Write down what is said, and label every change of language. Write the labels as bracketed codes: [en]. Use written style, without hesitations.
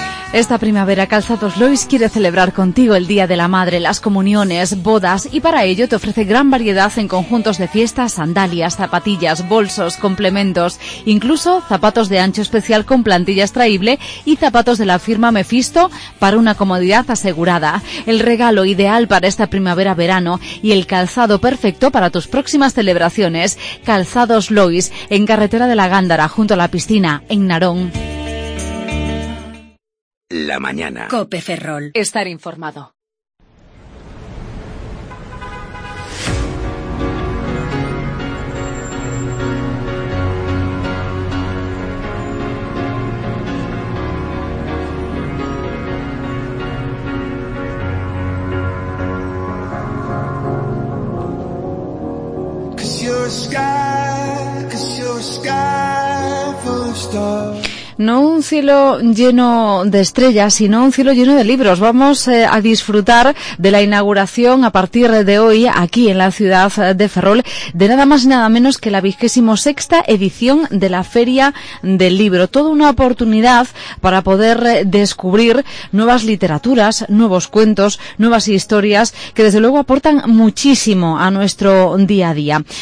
[es] Esta primavera Calzados Lois quiere celebrar contigo el Día de la Madre, las comuniones, bodas y para ello te ofrece gran variedad en conjuntos de fiestas, sandalias, zapatillas, bolsos, complementos, incluso zapatos de ancho especial con plantilla extraíble y zapatos de la firma Mephisto para una comodidad asegurada. El regalo ideal para esta primavera-verano y el calzado perfecto para tus próximas celebraciones. Calzados Lois, en carretera de la Gándara, junto a la piscina, en Narón. La mañana. COPE Ferrol. Estar informado. [en] Cause you're a sky full of stars. [es] no un cielo lleno de estrellas, sino un cielo lleno de libros. Vamos a disfrutar de la inauguración a partir de hoy aquí en la ciudad de Ferrol de nada más y nada menos que la 26ª edición de la Feria del Libro. Toda una oportunidad para poder descubrir nuevas literaturas, nuevos cuentos, nuevas historias que desde luego aportan muchísimo a nuestro día a día.